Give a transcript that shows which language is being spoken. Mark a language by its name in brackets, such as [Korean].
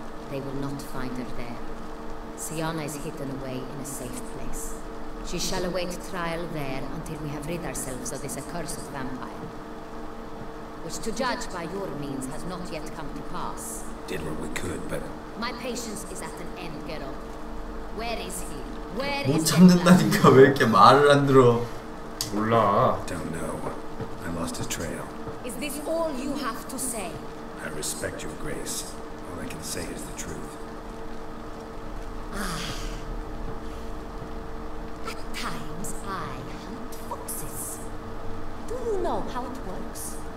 [English] They will not find her there. Sianna is hidden away in a safe place. She shall await trial there until we have rid ourselves of this accursed vampire. Which, to judge by your means, has not yet come to pass. Did what we could, but my patience is at an end, Geralt. Where is he? Where is he? [Korean] 못 참는다니까 왜 이렇게 말을 안 들어? 몰라. [English] Don't know. I lost his trail. Is this all you have to say? I respect your grace. All I can say is the truth. At times I hunt foxes. Do you know how it works?